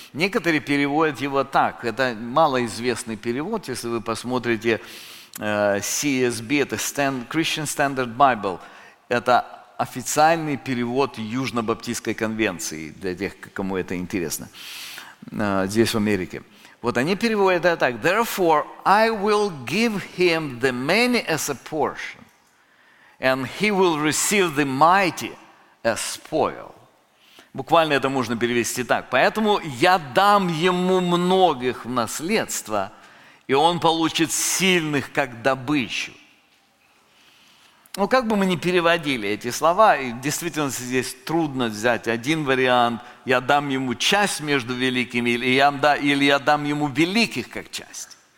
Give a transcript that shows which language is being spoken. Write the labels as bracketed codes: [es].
[ru] Некоторые переводят его так. Это малоизвестный перевод. Если вы посмотрите CSB, это Christian Standard Bible, это официальный перевод Южно-Баптистской конвенции, для тех, кому это интересно, здесь в Америке. Вот они переводят это так. [en] «Therefore, I will give him the many as a portion, and he will receive the mighty as spoil». [ru] Буквально это можно перевести так. «Поэтому я дам ему многих в наследство, и он получит сильных как добычу». Ну, как бы мы ни переводили эти слова, и в действительности здесь трудно взять один вариант: я дам ему часть между великими, или я дам ему великих как часть.